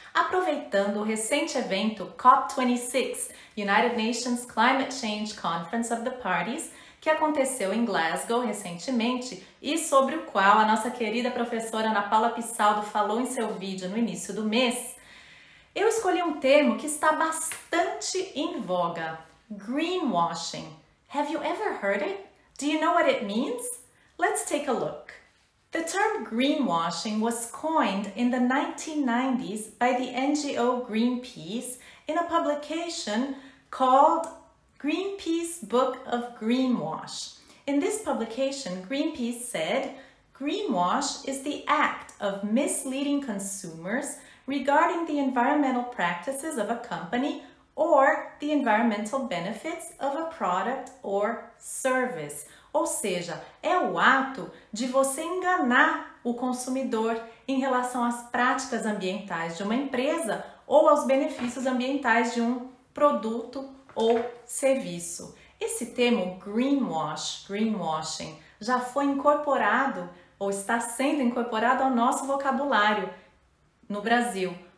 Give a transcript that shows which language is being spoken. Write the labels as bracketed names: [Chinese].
[Portuguese] Aproveitando o recente evento COP26, United Nations Climate Change Conference of the Parties, que aconteceu em Glasgow recentemente e sobre o qual a nossa querida professora Ana Paula Pissaldo falou em seu vídeo no início do mês, eu escolhi um termo que está bastante em voga, greenwashing. [English] Have you ever heard it? Do you know what it means? Let's take a look. The term greenwashing was coined in the 1990s by the NGO Greenpeace in a publication called Greenpeace Book of Greenwash. In this publication, Greenpeace said, "Greenwash is the act of misleading consumers regarding the environmental practices of a company or the environmental benefits of a product or service." [Portuguese] Ou seja, é o ato de você enganar o consumidor em relação às práticas ambientais de uma empresa ou aos benefícios ambientais de um produto ou serviço. Esse termo greenwash, greenwashing, já foi incorporado ou está sendo incorporado ao nosso vocabulário no Brasil.